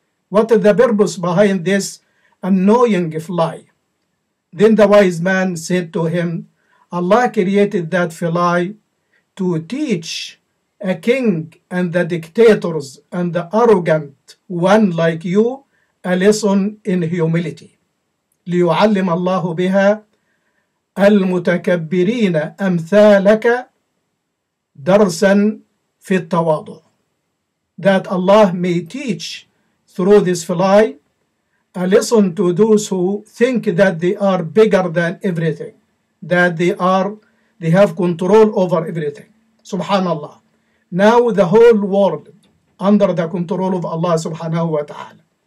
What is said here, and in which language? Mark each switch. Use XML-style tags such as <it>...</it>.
<en>What is the purpose behind this annoying fly? Then the wise man said to him, Allah created that fly to teach a king and the dictators and the arrogant one like you a lesson in humility.</en> <ar>ليعلم الله بها المتكبرين أمثالك درسا في التواضع.</ar> <en>That Allah may teach through this fly a lesson to those who think that they are bigger than everything, that they have control over everything. Subhanallah. Now the whole world under the control of Allah subhanahu wa ta'ala.</en>